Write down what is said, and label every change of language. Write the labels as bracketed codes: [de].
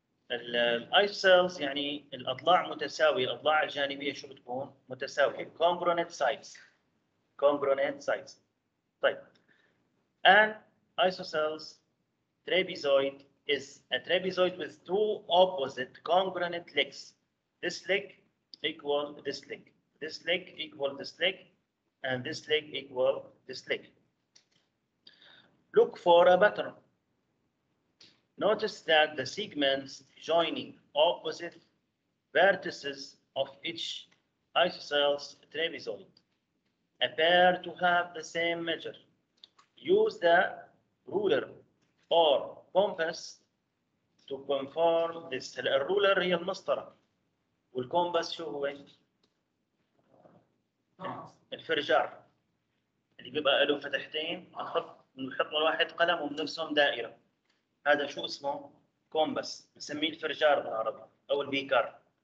[ar] الايسوسيلز يعني الاضلاع متساويه، الاضلاع الجانبيه شو بتكون؟ متساويه. [en] congruent sides. congruent sides. طيب. and isosceles trapezoid is a trapezoid with two opposite congruent legs. This leg equal this leg. This leg equal this leg. And this leg equal this leg. Look for a pattern. Notice that the segments joining opposite vertices of each isosceles trapezoid appear to have the same measure. Use the ruler or compass to confirm this. [ar] الرولر هي المسطرة والكومباس شو هو؟ الفرجار اللي بيبقى له فتحتين بنحط له واحد قلم وبنرسم دائرة. هذا شو اسمه؟ كومباس. بنسميه الفرجار بالعربي أو البيكار.